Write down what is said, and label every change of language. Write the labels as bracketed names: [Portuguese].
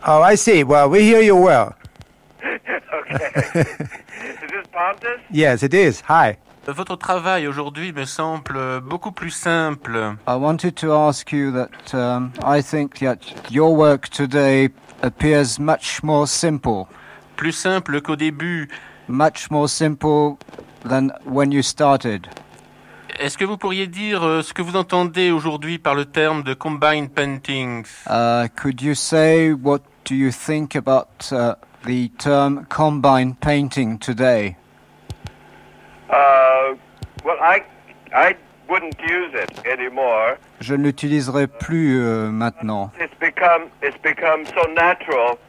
[English] Oh, I see. Well, we hear you well. Okay. Is this Pontus? Yes, it is. Hi. [French] Votre travail aujourd'hui me semble beaucoup plus simple. [English] I wanted to ask you that I think that your work today appears much more simple. [French] Plus simple qu'au début. [English] Much more simple than when you started. [French] Est-ce que vous pourriez dire ce que vous entendez aujourd'hui par le terme de combined paintings? [English] Could you say what do you think about the term combined painting today? Well, I wouldn't use it anymore. [French] Je ne l'utiliserai plus maintenant. [English] It's become so natural.